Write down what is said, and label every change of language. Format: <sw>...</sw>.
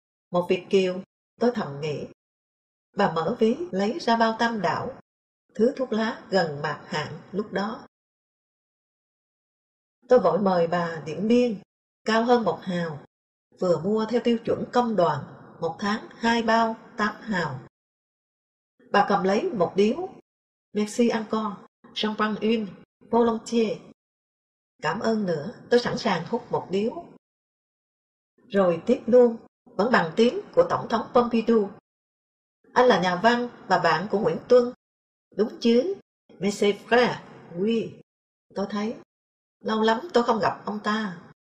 <vi>Một Việt kiều, tôi thầm nghĩ. Bà mở ví lấy ra bao tam đảo, thứ thuốc lá gần mạt hạn lúc đó. Tôi vội mời bà điểm biên, cao hơn một hào, vừa mua theo tiêu chuẩn công đoàn, một tháng hai bao tám hào. Bà cầm lấy một điếu.</vi> <fr>Merci encore, jean prends une volontiers.</fr> <vi>Cảm ơn nữa, tôi sẵn sàng hút một điếu. Rồi tiếp luôn, vẫn bằng tiếng của Tổng thống Pompidou. Anh là nhà văn và bạn của Nguyễn Tuân. Đúng chứ?</vi> <fr>Mais c'est vrai, oui.</fr> <vi>Tôi thấy, lâu lắm tôi không gặp ông ta.</vi>